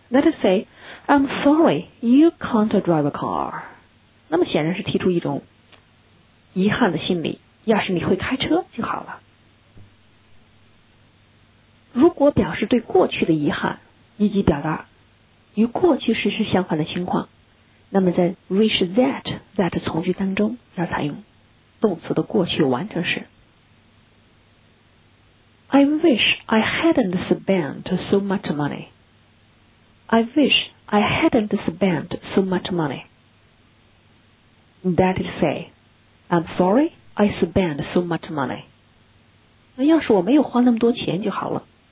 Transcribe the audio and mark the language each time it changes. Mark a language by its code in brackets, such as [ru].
[en] Let us say, I'm sorry, you can't drive a car. [zh] 那么显然是提出一种遗憾的心理，要是你会开车就好了。如果表示对过去的遗憾，以及表达与过去事实相反的情况，那么在 wish that 从句当中要采用动词的过去完成式。 [en] I wish I hadn't spent so much money. I wish I hadn't spent so much money. That is say, I'm sorry I spent so much money. [zh] 那要是我没有花那么多钱就好了。